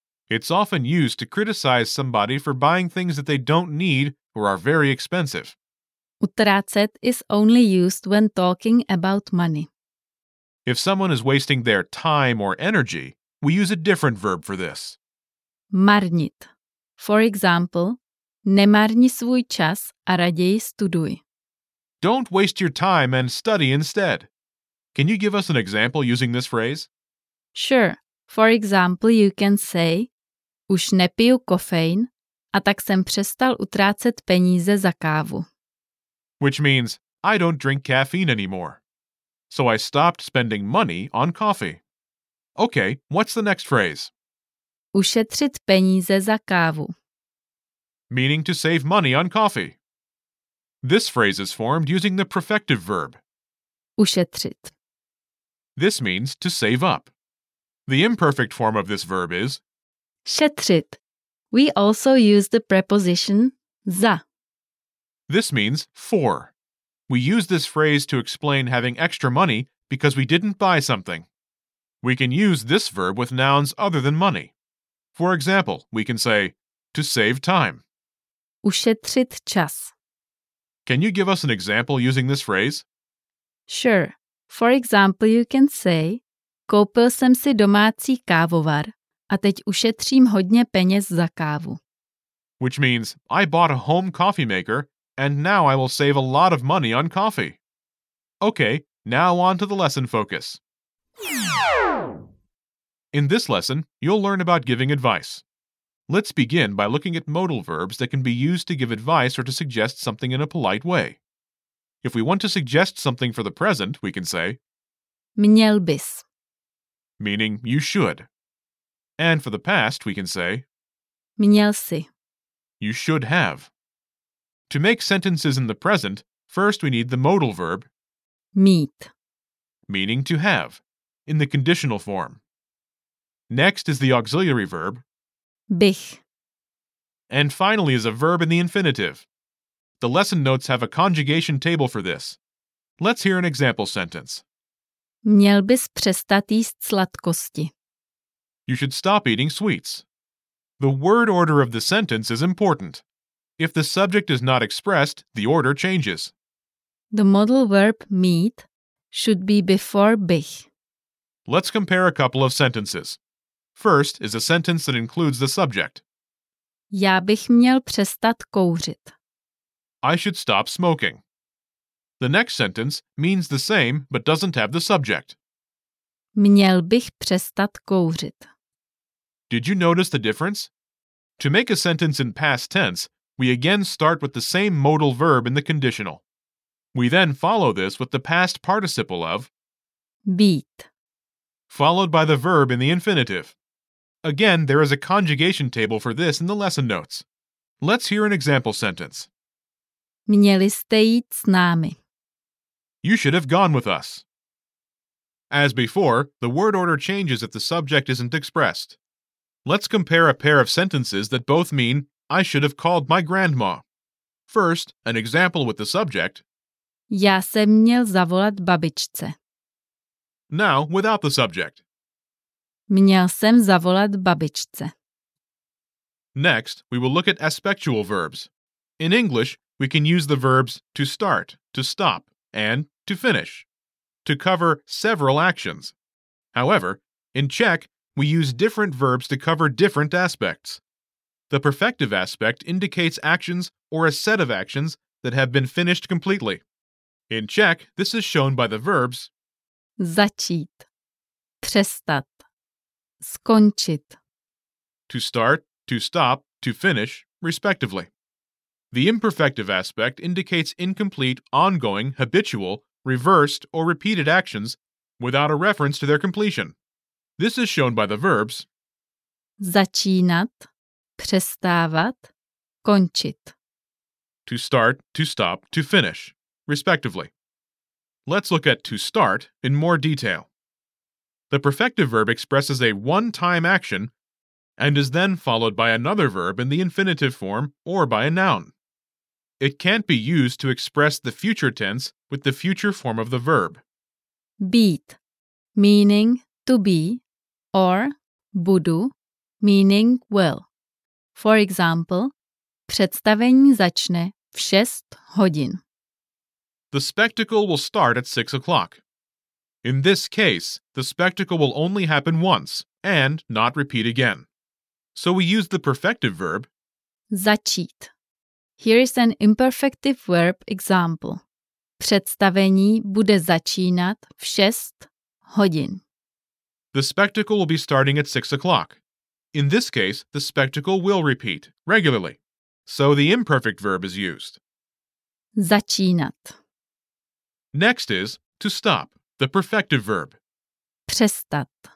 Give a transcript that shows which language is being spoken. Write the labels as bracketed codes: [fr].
[en] It's often used to criticize somebody for buying things that they don't need or are very expensive. Utrácet is only used when talking about money. If someone is wasting their time or energy, we use a different verb for this. [cs] Marnit. [en] For example, [cs] nemarni svůj čas a raději studuj. [en] Don't waste your time and study instead. Can you give us an example using this phrase? Sure. For example, you can say, [cs] už nepiju kofein a tak jsem přestal utrácet peníze za kávu. [en] Which means, I don't drink caffeine anymore. So I stopped spending money on coffee. Okay, what's the next phrase? [cs] Ušetřit peníze za kávu. [en] Meaning to save money on coffee. This phrase is formed using the perfective verb. [cs] Ušetřit. [en] This means to save up. The imperfect form of this verb is [cs] šetřit. [en] We also use the preposition za. This means for. We use this phrase to explain having extra money because we didn't buy something. We can use this verb with nouns other than money. For example, we can say to save time. [cs] Ušetřit čas. [en] Can you give us an example using this phrase? Sure. For example, you can say [cs] koupil jsem si domácí kávovar a teď ušetřím hodně peněz za kávu. [en] Which means I bought a home coffee maker and now I will save a lot of money on coffee. Okay, now on to the lesson focus. In this lesson, you'll learn about giving advice. Let's begin by looking at modal verbs that can be used to give advice or to suggest something in a polite way. If we want to suggest something for the present, we can say [cs] měl bys, [en] meaning you should. And for the past, we can say [cs] měl jsi, [en] you should have. To make sentences in the present, first we need the modal verb [cs] mít, [en] meaning to have, in the conditional form. Next is the auxiliary verb [cs] bych. [en] And finally is a verb in the infinitive. The lesson notes have a conjugation table for this. Let's hear an example sentence. [cs] Měl bys přestat jíst sladkosti. [en] You should stop eating sweets. The word order of the sentence is important. If the subject is not expressed, the order changes. The modal verb mít should be before bych. Let's compare a couple of sentences. First is a sentence that includes the subject. [cs] Já bych měl přestat kouřit. [en] I should stop smoking. The next sentence means the same but doesn't have the subject. [cs] Měl bych přestat kouřit. [en] Did you notice the difference? To make a sentence in past tense, we again start with the same modal verb in the conditional. We then follow this with the past participle of [cs] být, [en] followed by the verb in the infinitive. Again, there is a conjugation table for this in the lesson notes. Let's hear an example sentence. [cs] Měli jste jít s námi. [en] You should have gone with us. As before, the word order changes if the subject isn't expressed. Let's compare a pair of sentences that both mean, I should have called my grandma. First, an example with the subject. [cs] Já jsem měl zavolat babičce. [en] Now, without the subject. [cs] Měl jsem zavolat babičce. [en] Next, we will look at aspectual verbs. In English, we can use the verbs to start, to stop, and to finish, to cover several actions. However, in Czech, we use different verbs to cover different aspects. The perfective aspect indicates actions or a set of actions that have been finished completely. In Czech, this is shown by the verbs [cs] začít, přestat, skončit, [en] to start, to stop, to finish, respectively. The imperfective aspect indicates incomplete, ongoing, habitual, reversed, or repeated actions without a reference to their completion. This is shown by the verbs [cs] začínat, přestávat, končit, [en] to start, to stop, to finish, respectively. Let's look at to start in more detail. The perfective verb expresses a one-time action and is then followed by another verb in the infinitive form or by a noun. It can't be used to express the future tense with the future form of the verb. Být, meaning to be, or budu, meaning will. For example, [cs] představení začne v 6 hodin. [en] The spectacle will start at 6 o'clock. In this case, the spectacle will only happen once and not repeat again. So we use the perfective verb [cs] začít. [en] Here is an imperfective verb example. [cs] Představení bude začínat v 6 hodin. [en] The spectacle will be starting at 6 o'clock. In this case, the spectacle will repeat regularly. So the imperfect verb is used. [cs] Začínat. [en] Next is to stop, the perfective verb. [cs] Přestat.